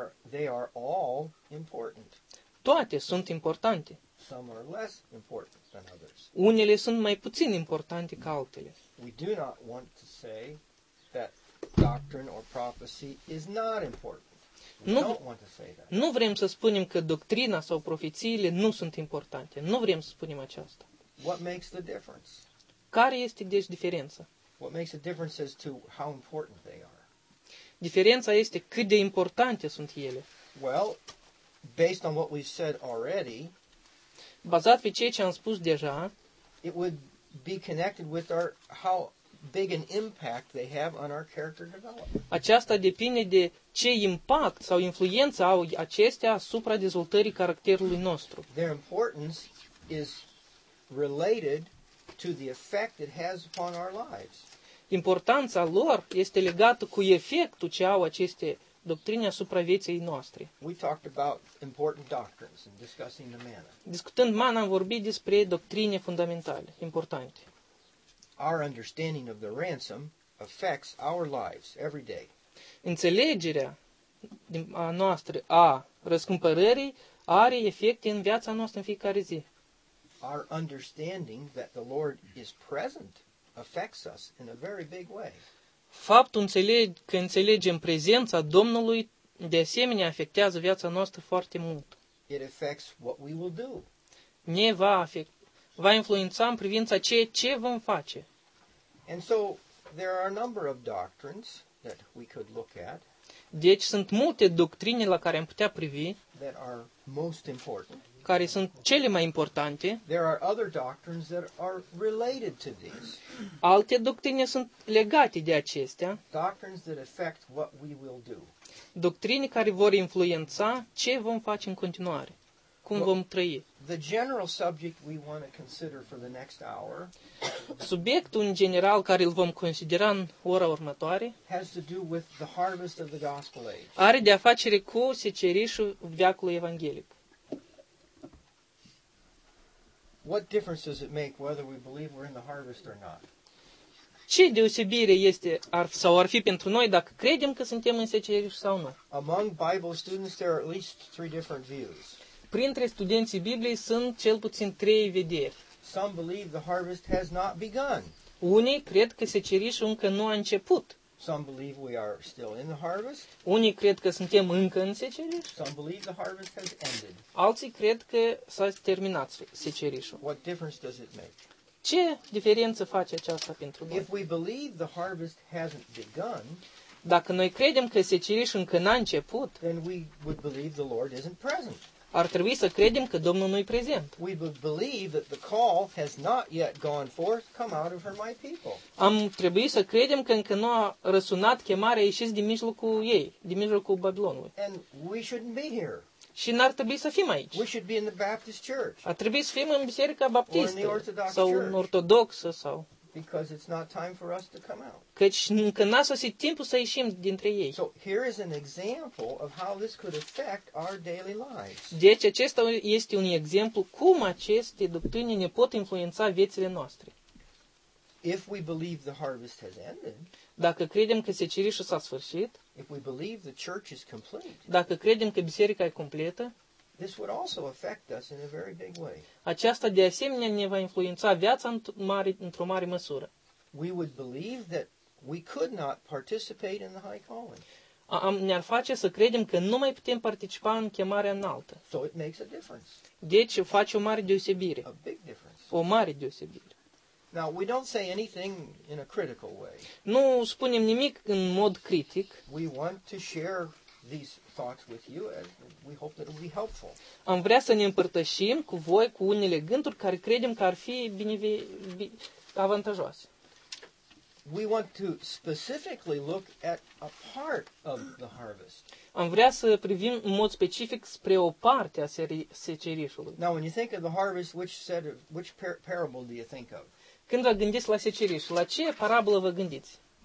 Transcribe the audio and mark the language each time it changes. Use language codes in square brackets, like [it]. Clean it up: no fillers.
[en] They are all important. [ro] Toate sunt importante. [en] Some are less important than others. [ro] Unele sunt mai puțin importante ca altele. [en] We do not want to say that doctrine or prophecy is not important. [ro] Nu, [en] don't want to say that. [ro] Nu vrem să spunem că doctrina sau profețiile nu sunt importante. Nu vrem să spunem aceasta. [en] What makes the difference? [ro] Care este deci diferența? [en] What makes a difference as to how important they are? [ro] Diferența este cât de importante sunt ele. [en] Well, based on what we've said already, [ro] bazat pe ceea ce am spus deja, [en] it would be connected with our how big an impact they have on our character development. [ro] Aceasta depinde de ce impact sau influență au acestea asupra dezvoltării caracterului nostru. [en] Their importance is related to the effect it has upon our lives. [ro] Importanța lor este legată cu efectul ce au aceste doctrine asupra vieții noastre. [en] We talked about important doctrines and discussing the manna. [ro] Discutând manna, am vorbit despre doctrine fundamentale, importante. [en] Our understanding of the ransom affects our lives every day. [ro] Înțelegerea a noastră a răscumpărării are efecte în viața noastră în fiecare zi. [en] Our understanding that the Lord is present affects us in a very big way. [ro] Faptul că înțelegem prezența Domnului de asemenea afectează viața noastră foarte mult. [en] It affects what we will do. [ro] Ne va afecta, va influența în privința ce vom face. [en] And so there are a number of doctrines that we could look at. [ro] Deci sunt multe doctrine la care am putea privi. [en] That are most important. [ro] Care sunt cele mai importante. [en] There are other doctrines that are related to these. [ro] Alte doctrine sunt legate de acestea. [en] Doctrines that affect what we will do. [ro] Doctrine care vor influența ce vom face în continuare, cum vom trăi. [en] The general subject we want to consider for the next hour. [ro] Subiectul în general care îl vom considera în ora următoare [en] has to do with the harvest of the gospel age. [ro] Are de-a face cu secerișul veacului evanghelic. [en] What difference does it make whether we believe we're in the harvest or not? [ro] Ce deosebire este ar fi pentru noi dacă credem că suntem în seceriș sau nu? [en] Among Bible students there are at least three different views. [ro] Printre studenții Bibliei sunt cel puțin trei vederi. [en] Some believe the harvest has not begun. [ro] Unii cred că secerișul încă nu a început. [en] Some believe we are still in the harvest. [ro] Unii cred că suntem încă în seceriș. [en] Some believe the harvest has ended. [ro] Alții cred că s-a terminat secerișul. [en] What difference does it make? [ro] Ce diferență face aceasta pentru noi? [en] If we believe the harvest hasn't begun, [ro] dacă noi credem că secerișul încă n-a început, [en] then we would believe the Lord isn't present. [ro] Ar trebui să credem că Domnul nu-i prezent. [en] We would believe that the call has not yet gone forth, come out of her my people. [ro] Am trebui să credem că încă nu a răsunat chemarea, ieșiți din mijlocul ei, din mijlocul Babilonului. [en] And we shouldn't be here. [ro] Și n-ar trebui să fim aici. [en] We should be in the Baptist church. [ro] Ar trebui să fim în biserica baptistă, [en] or in the Orthodox [ro] sau [en] church. [ro] În ortodoxă sau. [en] Because it's not time for us to come out. [ro] Căci încă n-a sosit timpul să ieșim dintre ei. [en] So here is an example of how this could affect our daily lives. [ro] Deci acesta este un exemplu cum aceste doctrine ne pot influența viețile noastre. [en] If we believe the harvest has ended, [ro] dacă credem că secerișul s-a sfârșit, [en] if we believe the church is complete, [ro] dacă credem că biserica e completă, [en] this would also affect us in a very big way. [ro] Aceasta de asemenea ne va influența viața într-o mare măsură. [en] We would believe that we could not participate in the high calling. [ro] Ne-ar face să credem că nu mai putem participa în chemarea înaltă. [en] So it makes a difference. [ro] Deci face o mare deosebire. [en] A big difference. [ro] O mare deosebire. [en] Now we don't say anything in a critical way. [ro] Nu spunem nimic în mod critic. [en] We want to share these thoughts with you and we hope that it will be helpful. [ro] Am vrea să ne împărtășim cu voi cu unele gânduri care credem că ar fi avantajoase. [en] We want to specifically look at a part of the harvest. [ro] Am vrea să privim în mod specific spre o parte a secerișului. [en] Now when you think of the harvest, which parable do you think of? [ro] Când vă gândiți la seceriș, la ce parabolă vă gândiți?